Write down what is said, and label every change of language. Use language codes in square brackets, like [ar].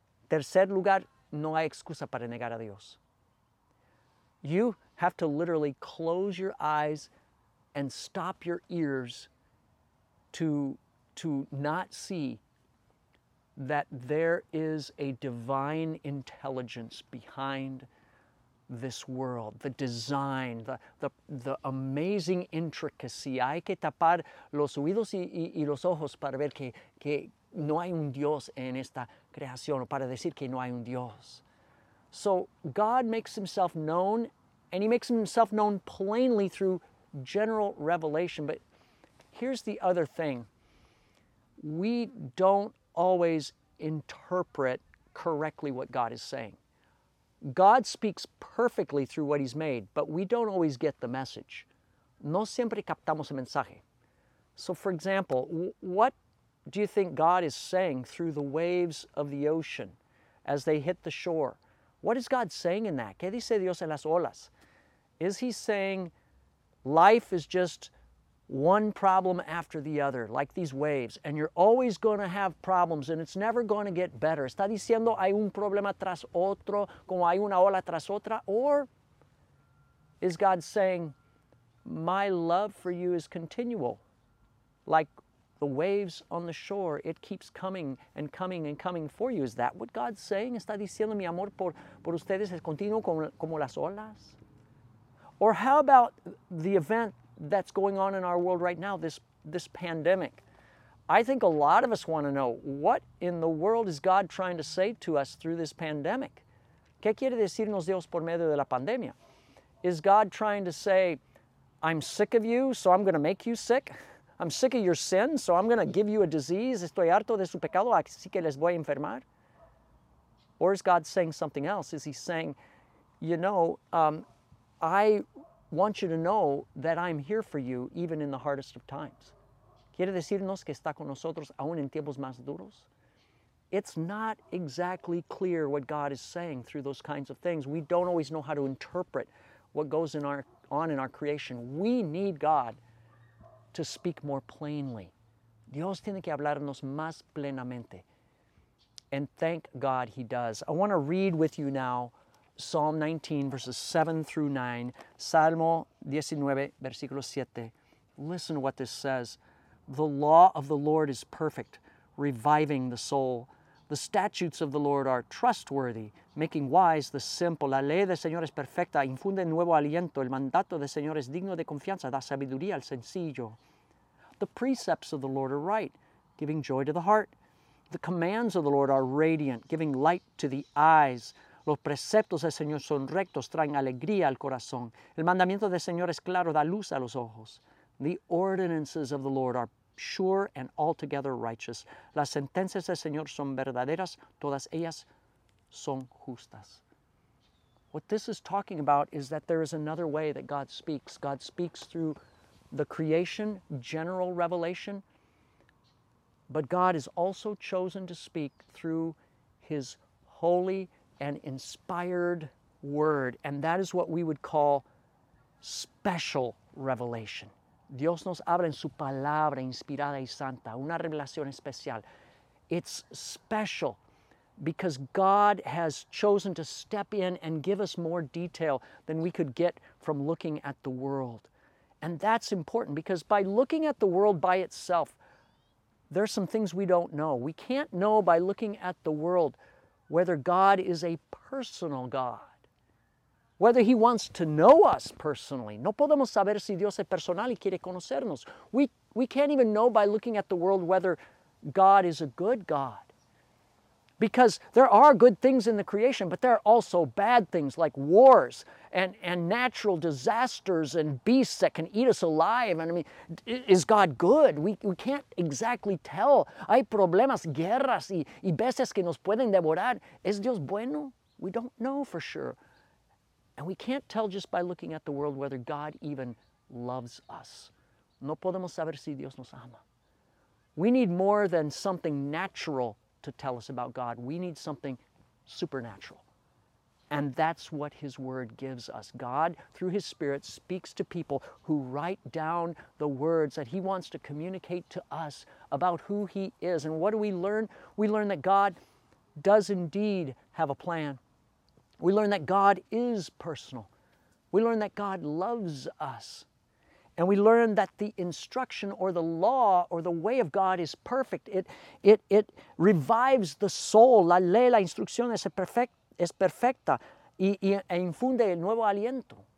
[es] Tercer lugar, no hay excusa para negar a Dios. [en] You have to literally close your eyes and stop your ears to not see that there is a divine intelligence behind this world, the design, the amazing intricacy. [es] Hay que tapar los oídos y los ojos para ver que no hay un Dios en esta creación, o para decir que no hay un Dios. [en] So God makes himself known, and he makes himself known plainly through general revelation. But here's the other thing. We don't always interpret correctly what God is saying. God speaks perfectly through what he's made, but we don't always get the message. [es] No siempre captamos el mensaje. [en] So for example, what do you think God is saying through the waves of the ocean as they hit the shore? What is God saying in that? [es] ¿Qué dice Dios en las olas? [en] Is he saying life is just one problem after the other, like these waves, and you're always going to have problems and it's never going to get better? [es] ¿Está diciendo hay un problema tras otro, como hay una ola tras otra? [en] Or is God saying my love for you is continual, like the waves on the shore, it keeps coming and coming and coming for you? Is that what God's saying? [es] ¿Está diciendo mi amor por ustedes es continuo como las olas? [en] Or how about the event that's going on in our world right now, this pandemic? I think a lot of us want to know, what in the world is God trying to say to us through this pandemic? [es] ¿Qué quiere decirnos Dios por medio de la pandemia? [en] Is God trying to say, I'm sick of you, so I'm going to make you sick? I'm sick of your sin, so I'm going to give you a disease. [es] Estoy harto de su pecado, así que les voy a enfermar. [en] Or is God saying something else? Is he saying, you know, I want you to know that I'm here for you even in the hardest of times? [es] ¿Quiere decirnos que está con nosotros aún en tiempos más duros? [en] It's not exactly clear what God is saying through those kinds of things. We don't always know how to interpret what goes on in our creation. We need God to speak more plainly. [es] Dios tiene que hablarnos más plenamente. [en] And thank God he does. I want to read with you now Psalm 19, verses 7 through 9. [es] Salmo 19, versículo 7. [en] Listen to what this says. The law of the Lord is perfect, reviving the soul. The statutes of the Lord are trustworthy, making wise the simple. [es] La ley del Señor es perfecta, infunde nuevo aliento. El mandato del Señor es digno de confianza, da sabiduría al sencillo. [en] The precepts of the Lord are right, giving joy to the heart. The commands of the Lord are radiant, giving light to the eyes. [es] Los preceptos del Señor son rectos, traen alegría al corazón. El mandamiento del Señor es claro, da luz a los ojos. [en] The ordinances of the Lord are sure and altogether righteous. [es] Las sentencias del Señor son verdaderas, todas ellas son justas. [en] What this is talking about is that there is another way that God speaks. God speaks through the creation, general revelation. But God has also chosen to speak through his holy and inspired word. And that is what we would call special revelation. [es] Dios nos habla en su palabra inspirada y santa, una revelación especial. [en] It's special because God has chosen to step in and give us more detail than we could get from looking at the world. And that's important because by looking at the world by itself, there are some things we don't know. We can't know by looking at the world whether God is a personal God, whether he wants to know us personally. [es] No podemos saber si Dios es personal y quiere conocernos. [en] We can't even know by looking at the world whether God is a good God. Because there are good things in the creation, but there are also bad things like wars and natural disasters and beasts that can eat us alive. And I mean, is God good? We can't exactly tell. [es] Hay problemas, guerras y bestias que nos pueden devorar. ¿Es Dios bueno? [en] We don't know for sure. And we can't tell just by looking at the world whether God even loves us. [es] No podemos saber si Dios nos ama. [en] We need more than something natural to tell us about God. We need something supernatural. And that's what his word gives us. God, through his Spirit, speaks to people who write down the words that he wants to communicate to us about who he is. And what do we learn? We learn that God does indeed have a plan. We learn that God is personal. We learn that God loves us. And we learn that the instruction or the law or the way of God is perfect. It revives the soul. [es] La ley, la instrucción es perfecta e infunde el nuevo aliento.